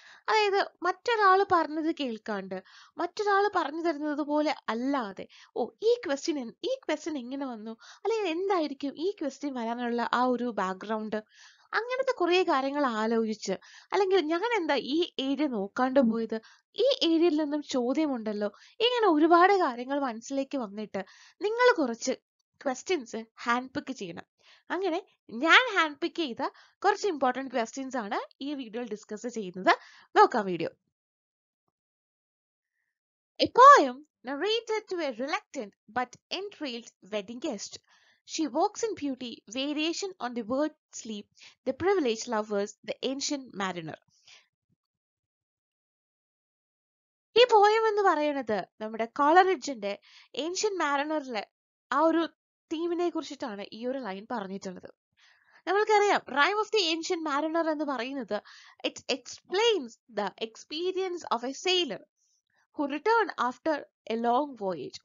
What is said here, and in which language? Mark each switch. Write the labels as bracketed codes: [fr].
[ml] അതായത് മറ്റൊരാൾ പറഞ്ഞത് കേൾക്കാണ്ട് മറ്റൊരാൾ പറഞ്ഞു തരുന്നത് പോലെ അല്ലാതെ, ഓ ഈ ക്വസ്റ്റ്യൻ എങ്ങനെ വന്നു, അല്ലെങ്കിൽ എന്തായിരിക്കും ഈ ക്വസ്റ്റ്യൻ വരാനുള്ള ആ ഒരു ബാക്ക്ഗ്രൗണ്ട്, അങ്ങനത്തെ കുറെ കാര്യങ്ങൾ ആലോചിച്ച്, അല്ലെങ്കിൽ ഞാൻ എന്താ ഈ ഏരിയ നോക്കാണ്ട് പോയത്, ഈ ഏരിയയിൽ നിന്നും ചോദ്യമുണ്ടല്ലോ, ഇങ്ങനെ ഒരുപാട് കാര്യങ്ങൾ മനസ്സിലേക്ക് വന്നിട്ട് നിങ്ങൾ കുറച്ച് ക്വസ്റ്റ്യൻസ് ഹാൻഡ് പിക്ക് ചെയ്യണം. അങ്ങനെ ഞാൻ ഹാൻഡ് പിക്ക് ചെയ്ത കുറച്ച് ഇമ്പോർട്ടൻറ്റ് ക്വസ്റ്റ്യൻസ് ആണ് ഈ വീഡിയോയിൽ ഡിസ്കസ് ചെയ്യുന്നത്. നോക്കാം video. [en] A poem narrated to a reluctant but enthralled wedding guest. She walks in beauty, variation on the word sleep, the privileged lovers, the ancient mariner. [ml] ഈ പോയം എന്ന് പറയുന്നത് നമ്മുടെ കോളറിഡ്ജിന്റെ ഏൻഷ്യൻ മാരിനറിലെ ആ ഒരു തീമിനെ കുറിച്ചിട്ടാണ് ഈ ഒരു ലൈൻ പറഞ്ഞിട്ടുള്ളത്. നമ്മൾക്കറിയാം [en] rime of the ancient mariner [ml] എന്ന് പറയുന്നത് [en] It explains the experience of a sailor who return after a long voyage.